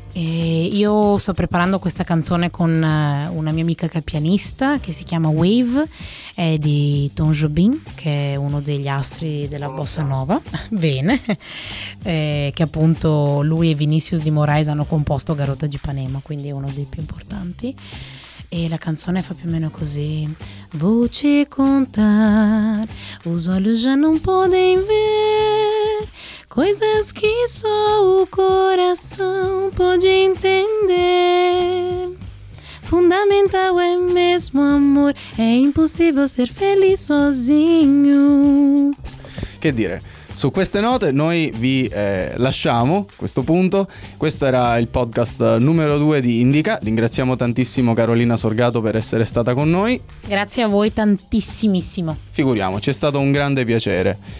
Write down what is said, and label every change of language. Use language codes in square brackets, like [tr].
[it] Io sto preparando questa canzone con una mia amica che è pianista, che si chiama Wave. È di Tom Jobim, che è uno degli astri della bossa nova. Bene. Che appunto lui e Vinicius de Moraes hanno composto Garota de Ipanema, quindi è uno dei più importanti. E la canzone fa più o meno così: [pt] voce contar, os olhos já não podem ver, coisas que só o coração pode entender. Fundamental é mesmo amor, é impossível ser feliz sozinho. [it] Che dire? Su queste note noi vi lasciamo questo punto. Questo era il podcast numero 2 di Indica. Ringraziamo tantissimo Carolina Sorgato per essere stata con noi. Grazie a voi tantissimissimo. Figuriamoci, è stato un grande piacere.